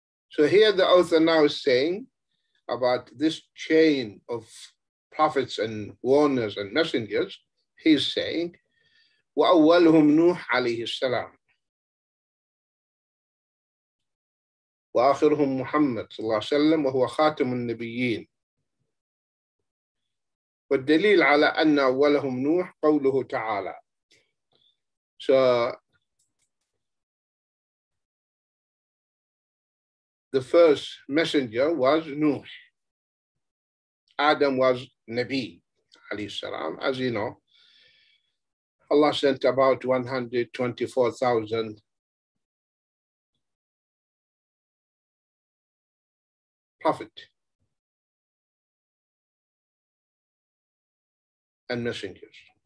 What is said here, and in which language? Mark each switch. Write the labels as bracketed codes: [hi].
[en] So here the author now is saying about this chain of prophets and warners and messengers, he's saying, [ar] وَأَوَّلْهُمْ نُوحَ عَلَيْهِ السَّلَامِ وآخرهم محمد صلى الله عليه وسلم وهو خاتم النبيين. والدليل على أن أولهم نوح قوله تعالى. [en] So the first messenger was Nuh. Adam was Nabi عليه السلام. As you know, Allah sent about 124,000 prophet and messengers.